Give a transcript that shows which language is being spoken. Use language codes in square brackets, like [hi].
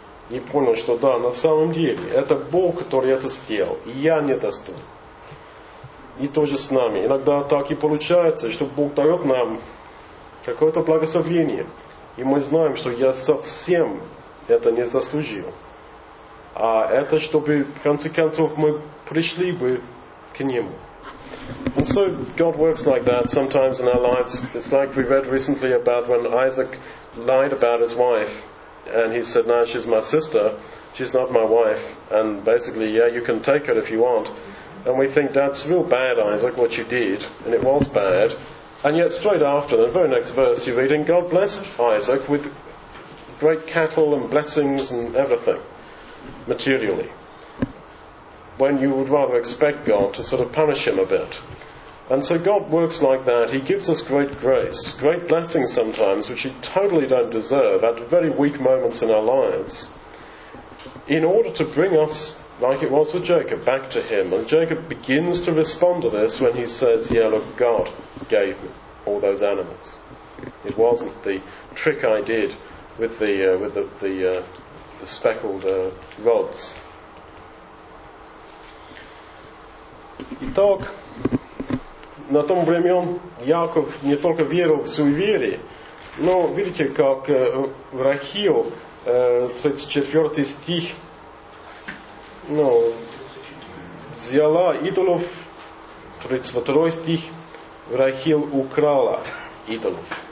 [ru] И понял, что да, на самом деле, это Бог, который это сделал. И я не достоин. И тоже с нами. Иногда так и получается, что Бог дает нам какое-то благословение. И мы знаем, что я совсем это не заслужил. А это чтобы, в конце концов, мы пришли бы к Нему. [en] And so God works like that sometimes in our lives. It's like we read recently about when Isaac lied about his wife. And he said, now she's my sister, she's not my wife. And basically, yeah, you can take her if you want. And we think, that's real bad, Isaac, what you did. And it was bad. And yet straight after, the very next verse you read, and God blessed Isaac with great cattle and blessings and everything, materially. When you would rather expect God to sort of punish him a bit. And so God works like that. He gives us great grace, great blessings sometimes, which we totally don't deserve at very weak moments in our lives, in order to bring us, like it was with Jacob, back to him. And Jacob begins to respond to this when he says, yeah, look, God gave me all those animals. It wasn't the trick I did with the speckled rods. [ru] Итак, на том времен Яков не только верил в суеверие, но видите, как в Рахил, 34 стих, ну, взяла идолов, 32 стих, Рахил украла идолов.